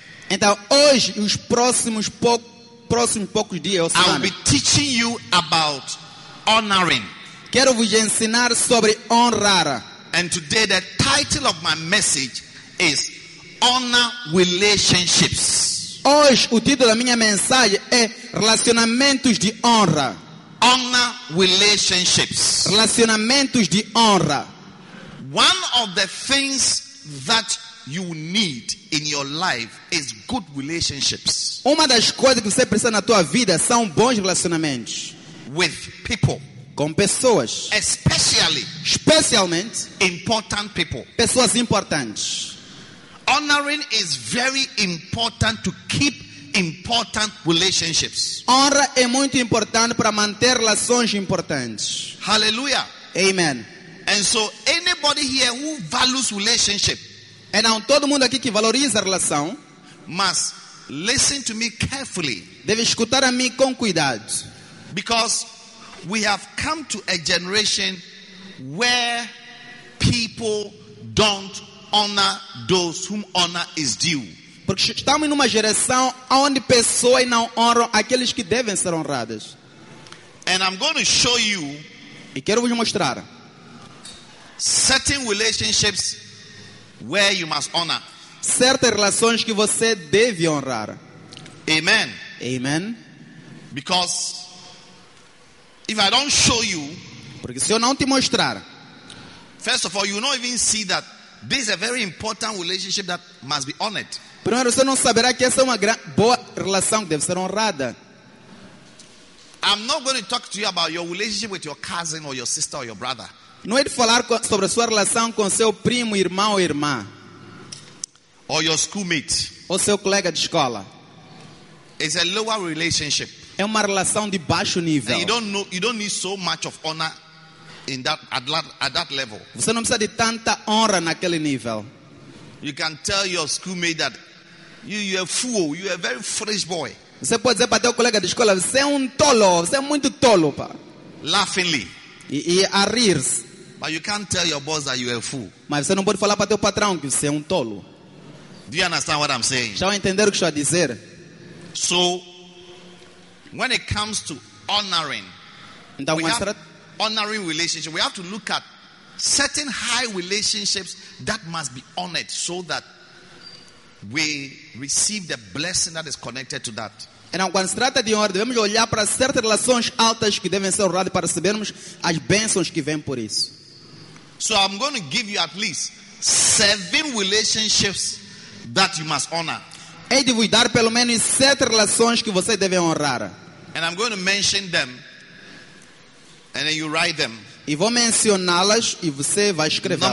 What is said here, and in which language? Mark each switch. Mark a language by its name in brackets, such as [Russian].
[Portuguese] Então, hoje e os próximos poucos dias, [English] I will be teaching you about honoring. [Portuguese] Quero vos ensinar sobre honrar. [English] And today the title of my message is Honor Relationships. [Portuguese] Hoje o título da minha mensagem é Relacionamentos de Honra. [English] Honor Relationships. [Portuguese] Relacionamentos de Honra. [English] One of the things that you need in your life is good relationships. [Portuguese] Uma das coisas que você precisa na tua vida são bons relacionamentos. [English] With people. [Portuguese] Com pessoas. [English] Especially. [Portuguese] Especialmente. [English] Important people. [Portuguese] Pessoas importantes. [English] Honoring is very important to keep important relationships. [Portuguese] Honra é muito importante para manter relações importantes. [English] Hallelujah. Amen. And so anybody here who values relationship, [Portuguese] então todo mundo aqui que valoriza a relação, [English] must listen to me carefully. [Portuguese] Deve escutar a mim com cuidado. [English] Because we have come to a generation where people don't honor those whom honor is due. [Portuguese] Porque estamos numa geração onde pessoas não honram aqueles que devem ser honradas. [English] And I'm going to show you, [Portuguese] e quero vos mostrar, [English] certain relationships where you must honor. [Portuguese] Certas relações que você deve honrar. [English] Amen. [Portuguese] Amen. [English] Because if I don't show you, [Portuguese] porque se eu não te mostrar, [English] first of all, you don't even see that this is a very important relationship that must be honored. [Portuguese] Primeiro, você não saberá que essa é uma boa relação que deve ser honrada. [English] I'm not going to talk to you about your relationship with your cousin or your sister or your brother. [Portuguese] Não é de falar sobre a sua relação com seu primo, irmão ou irmã. [English] Or your schoolmate. [Portuguese] Ou seu colega de escola. [English] It's a lower relationship. [Portuguese] É uma relação de baixo nível. [English] And you don't need so much of honor in at that level. [Portuguese] Você não precisa de tanta honra naquele nível. [English] You can tell your schoolmate that you are a fool, you are a very foolish boy. [Portuguese] Você pode dizer para teu colega de escola, você é tolo, você é muito tolo, pá. [English] Laughingly. [Portuguese] E a rir-se. [English] But you can't tell your boss that you are a fool. [Portuguese] Mas você não pode falar para teu patrão que você é tolo. [English] Do you understand what I'm saying? [Portuguese] Estão a entender o que estou a dizer? [English] So, when it comes to honoring, [Portuguese] então, [English] honoring relationship, we have to look at certain high relationships that must be honored so that we receive the blessing that is connected to that. [Portuguese] Então, quando se trata de honra, devemos olhar para certas relações altas que devem ser honradas para recebermos as bênçãos que vêm por isso. [English] So I'm going to give you at least 7 relationships that you must honor. [Portuguese] Hei de vos dar pelo menos 7 relações que vocês devem honrar. [English] And I'm going to mention them and then you write them. [Portuguese] E vou mencioná-las e você vai escrevê-las.